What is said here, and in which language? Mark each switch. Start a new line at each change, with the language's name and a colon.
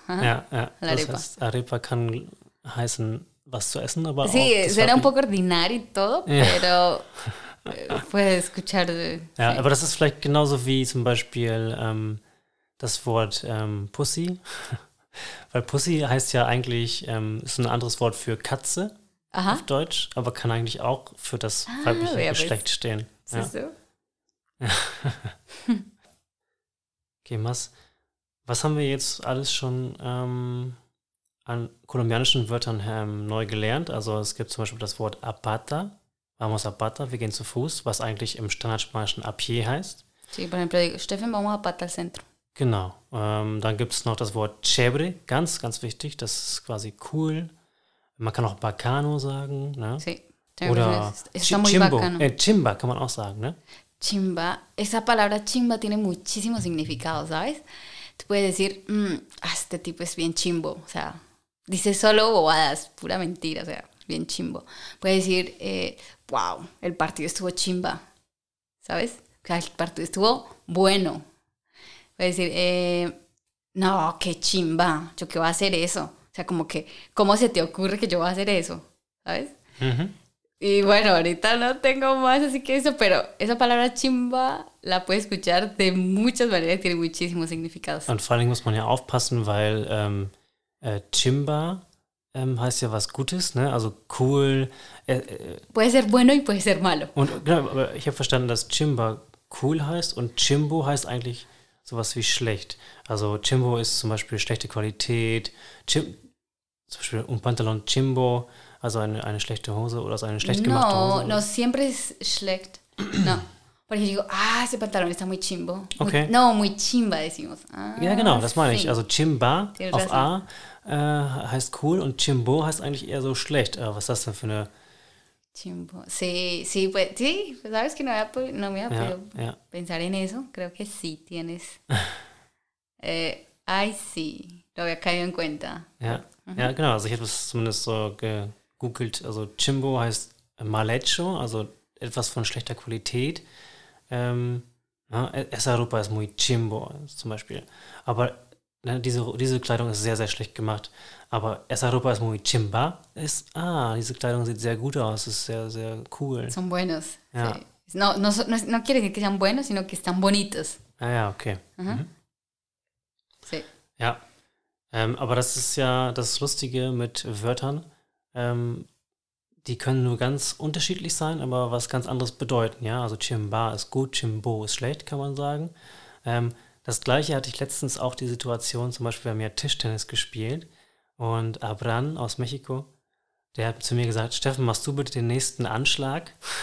German: Ajá, ja, ja. Das heißt, Arepa kann heißen, was zu essen, aber
Spanish: sí,
German: auch...
Spanish: Sí, será un poco ordinario y todo, ja. Pero puede escuchar...
German: Ja,
Spanish: sí.
German: Aber das ist vielleicht genauso wie zum Beispiel das Wort Pussy, weil Pussy heißt ja eigentlich, ist ein anderes Wort für Katze. Aha. Auf Deutsch, aber kann eigentlich auch für das weibliche Geschlecht stehen. Siehst du? Okay, Mas, was haben wir jetzt alles schon an kolumbianischen Wörtern neu gelernt? Also es gibt zum Beispiel das Wort
Spanish: a pata, vamos a pata,
German: wir gehen zu Fuß, was eigentlich im Standardspanischen
Spanish: a pie
German: heißt.
Spanish: Sí, por ejemplo, digo, Steffen, vamos a pata al centro.
German: Genau. Dann gibt es noch das Wort chévere, ganz, ganz wichtig, das ist quasi cool. Man kann auch Bacano sagen, ne?
Spanish: Sí, oder Chimbo.
German: Chimba kann man auch sagen, ne?
Spanish: Chimba. Esa palabra chimba tiene muchísimo significado, ¿sabes? Tú puedes decir, este tipo es bien chimbo. O sea, dice solo bobadas, pura mentira, o sea, bien chimbo. Puedes decir, wow, el partido estuvo chimba, ¿sabes? O sea, el partido estuvo bueno. Puedes decir, no, qué chimba, yo qué voy a hacer eso. O sea, como que, ¿cómo se te ocurre que yo voy a hacer eso? ¿Sabes? Uh-huh. Y bueno, ahorita no tengo más así que eso, pero esa palabra chimba la puedes escuchar de muchas maneras, tiene muchísimos significados.
German: Und vor allem muss man ja aufpassen, weil chimba heißt ja was Gutes, ne? Also cool.
Spanish: Puede ser bueno y puede ser malo.
German: Und genau, aber ich habe verstanden, dass chimba cool heißt und chimbo heißt eigentlich... Sowas wie schlecht. Also Chimbo ist zum Beispiel schlechte Qualität. Zum Beispiel
Spanish: un pantalón Chimbo,
German: also eine schlechte Hose oder so eine schlecht gemachte Hose.
Spanish: No, siempre es
German: schlecht.
Spanish: No.
German: Weil ich
Spanish: digo, ese pantalón está muy chimbo. Okay. Muy chimba, decimos.
German: Ja, genau, das meine ich. Also Chimba auf A heißt cool und Chimbo heißt eigentlich eher so schlecht. Was ist das denn für eine...
Spanish: Chimbo. Sí, pues sí, sabes que no me había pero
German: ja.
Spanish: Pensar en eso, creo que sí tienes. Ay, sí, lo había caído en cuenta.
German: Ja, uh-huh. Ja, genau, also ich habe es zumindest so gegoogelt. Also Chimbo heißt
Spanish: mal hecho,
German: also etwas von schlechter Qualität. Ja,
Spanish: esa ropa es muy chimbo,
German: zum Beispiel. Aber ne, diese Kleidung ist sehr, sehr schlecht gemacht. Aber
Spanish: esa ropa es muy chimba
German: ist, ah, diese Kleidung sieht sehr gut aus, ist sehr, sehr cool.
Spanish: Son buenos. Ja. Sí. No quiere decir que sean buenos, sino que están bonitos.
German: Ah ja, okay.
Spanish: Sí.
German: Ja. Aber das ist ja das Lustige mit Wörtern. Die können nur ganz unterschiedlich sein, aber was ganz anderes bedeuten. Ja? Also Chimba ist gut, Chimbo ist schlecht, kann man sagen. Das Gleiche hatte ich letztens auch die Situation, zum Beispiel, wir haben ja Tischtennis gespielt und Abran aus Mexiko, der hat zu mir gesagt, Steffen, machst du bitte den nächsten Anschlag?